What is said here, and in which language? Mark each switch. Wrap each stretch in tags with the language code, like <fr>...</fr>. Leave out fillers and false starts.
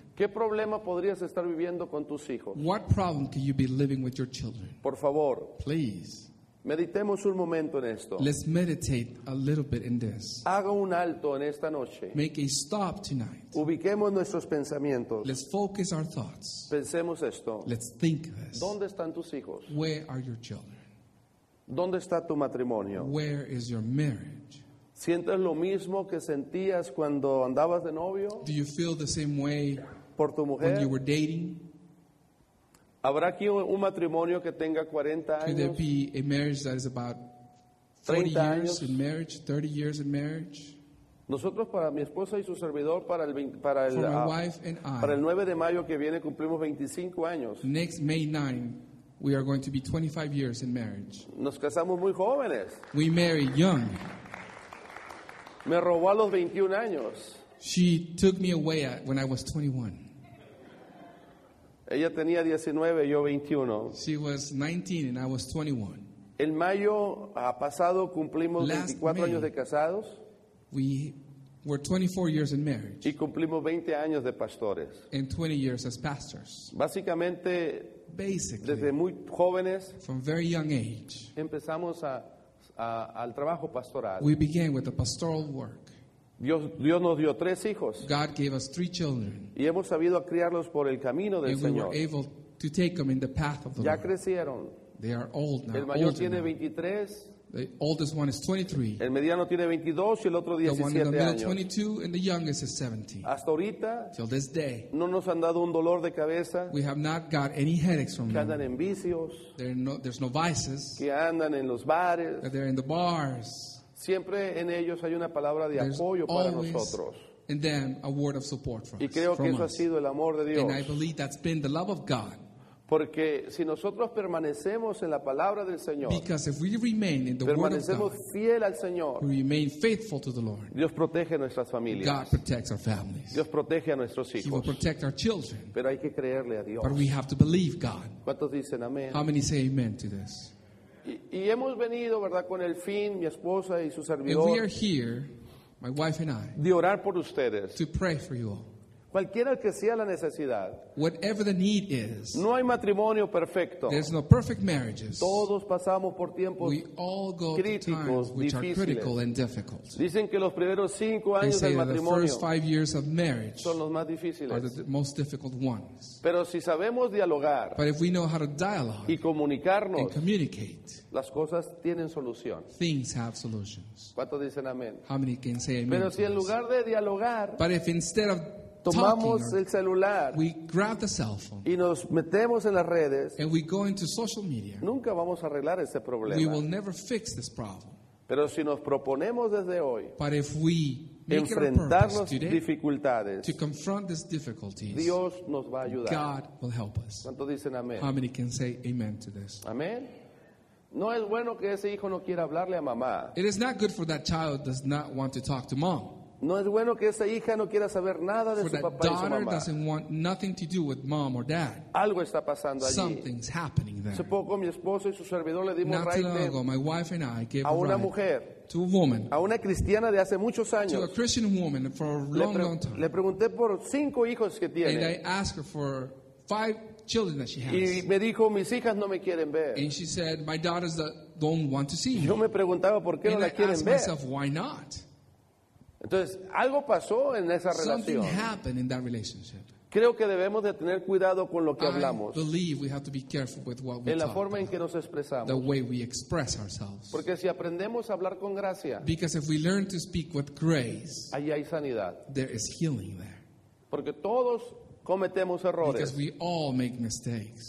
<es>¿Qué problema podrías estar viviendo con tus hijos?</es> <en>What problem could you be living with your children?</en> <es>Por favor.</es> <en>Please.</en> <es>Meditemos un momento en esto.</es> <en>Let's meditate a little bit in this.</en> <es>Haga un alto en esta noche.</es> <en>Make a stop tonight.</en> <es>Ubiquemos nuestros pensamientos.</es> <en>Let's focus our thoughts.</en> <es>Pensemos esto.</es> <en>Let's think this.</en> <es>¿Dónde están tus hijos?</es> <en>Where are your children?</en> <es>¿Dónde está tu matrimonio?</es> <en>Where is your marriage?</en> <es>¿Sientes lo mismo que sentías cuando andabas de novio?</es> <en>Do you feel the same way</en> <es>por tu mujer?</es> <en>When you were dating?</en> <es>¿Habrá aquí un matrimonio que tenga 40 años?</es> <en>Could there be a marriage that is about</en> <es>30 40 años?</es> <en>Years in marriage, 30 years in marriage?</en> <es>Nosotros para mi esposa y su servidor para el 9 de mayo que viene cumplimos 25 años.</es> <en>Next May 9, we are going to be 25 years in marriage.</en> <es>Nos casamos muy jóvenes.</es> <en>We married young.</en> <es>Me robó a los 21 años.</es> <en>She took me away when I was 21.</en> <es>Ella tenía 19, yo 21.</es> <en>She was 19 and I was 21.</en> <es>El mayo pasado cumplimos 24 años de casados.</es> <en>We were 24 years in marriage.</en> <es>Y cumplimos 20 años de pastores.</es> <en>And 20 years as pastors.</en> <es>Básicamente,</es> <en>basically,</en> <es>desde muy jóvenes,</es> <en>from very young age,</en> <es>empezamos al trabajo pastoral.</es> <en>We began with the pastoral work.</en> <es>Dios nos dio tres hijos.</es> <en>God gave us three children.</en> <es>Y hemos sabido criarlos por el camino del Señor.</es> <en>And we were able to take them in the path of the Lord.</en> <es>Ya crecieron.</es> <en>They are old now.</en> <es>El mayor tiene 23.</es> <en>The oldest one is 23.</en> <es>El mediano tiene 22 y el otro 17 años.</es> <en>The one in the middle 22 and the youngest is 17.</en> <es>Hasta ahorita.</es> <en>Till this day.</en> <es>No nos han dado un dolor de cabeza.</es> <en>We have not got any headaches from them.</en> <es>Que andan en vicios.</es> <en>There's no vices.</en> <es>Que andan en los bares.</es> <en>That they're in the bars.</en> <es>Siempre en ellos hay una palabra de</es> <en>There's</en> <es>apoyo para nosotros.</es> <en>In them a word of support for</en> <es>y creo</es> <en>us,</en> <es>que</es> <en>from</en> <es>eso</es> <en>us.</en> <es>Ha sido el amor de Dios.</es> <en>And I believe that's been the love of God.</en> <es>Porque si nosotros permanecemos en la palabra del Señor,</es> <en>because if we remain in the word of God,</en> <es>fiel al Señor,</es> <en>we remain faithful to the Lord,</en> <es>Dios protege nuestras familias.</es> <en>God protects our families.</en> <es>Dios protege a nuestros hijos.</es> <en>He will protect our children.</en> <es>Pero hay que creerle a Dios.</es> <en>But we have to believe God.</en> <es>¿Cuántos dicen amén?</es> <en>How many say amen to this?</en> <es>Y hemos venido, ¿verdad?, con el fin, mi esposa y su servidor,</es> <en>and we are here, my wife and I,</en> <es>de orar por ustedes,</es> <en>to pray for you all.</en> <es>Cualquiera que sea la necesidad,</es> <en>whatever the need is,</en> <es>no hay matrimonio perfecto.</es> <en>There's no perfect marriages.</en> <es>Todos pasamos por tiempos</es> <en>we all go</en> <es>críticos,</es> <en>through times which</en> <es>difíciles.</es> <en>Are critical and difficult.</en> <es>Dicen que los primeros cinco años</es> <en>they say</en> <es>del matrimonio</es> <en>that the first 5 years of marriage</en> <es>son los más difíciles.</es> <en>Are the most difficult ones.</en> <es>Pero si sabemos dialogar,</es> <en>but if we know how to dialogue</en> <es>y comunicarnos,</es> <en>and communicate,</en> <es>las cosas tienen solución.</es> <en>Things have solutions.</en> <es>¿Cuántos dicen amén?</es> <en>How many can say amen?</en> <es>Pero si en lugar de dialogar,</es> <en>but if instead of</en> <es>tomamos el celular,</es> <en>we grab the cell phone,</en> <es>y nos metemos en las redes,</es> <en>and we go into social media,</en> <es>nunca vamos a arreglar ese problema.</es> <en>We will never fix this problem.</en> <es>Pero si nos proponemos desde hoy,</es> <en>but if we</en> <es>enfrentar las dificultades,</es> <en>to confront these difficulties,</en> <es>Dios nos va a ayudar.</es> <en>God will help us.</en> <es>¿Cuántos dicen amén?</es> <en>How many can say amen to this?</en> <es>Amén. No es bueno que ese hijo no quiera hablarle a mamá.</es> <en>It is not good for that child does not want to talk to mom.</en> <es>No es bueno que esa hija no quiera saber nada de</es> <en>For</en> <es>su papá y su mamá.</es> <en>Daughter doesn't want nothing to do with mom or dad.</en> <es>Algo está pasando allí.</es> <en>Something's happening there.</en> <es>Hace poco mi esposo y su servidor le dimos</es> <en>Not too long ago, my wife and I gave</en> <es>a una mujer.</es> <en>To a woman,</en> <es>a una cristiana de hace muchos años.</es> <en>To a Christian woman for a long, long time.</en> <es>Le pregunté por cinco hijos que tiene.</es> <en>And I asked her for five children that she has.</en> <es>Y me dijo, mis hijas no me quieren ver.</es> <en>And she said, my daughters don't want to see me.</en> <es>Yo me preguntaba por qué</es> <en>and</en> <es>no la quieren ver.</es> <en>And I asked myself, why not?</en> <es>Entonces, algo pasó en esa</es> <en>Something relación. Happened in that relationship.</en> <es>Creo que debemos de tener cuidado con lo que hablamos.</es> <en>I believe we have to be careful with what we talk</en> <es>En la forma</es> <en>about,</en> <es>en que nos expresamos.</es> <en>The way we express ourselves.</en> <es>Porque si aprendemos a hablar con gracia.</es> <en>Because if we learn to speak with grace.</en> <es>Allí hay sanidad.</es> <en>There is healing there.</en> <es>Porque todos cometemos errores.</es> <en>Because we all make mistakes.</en>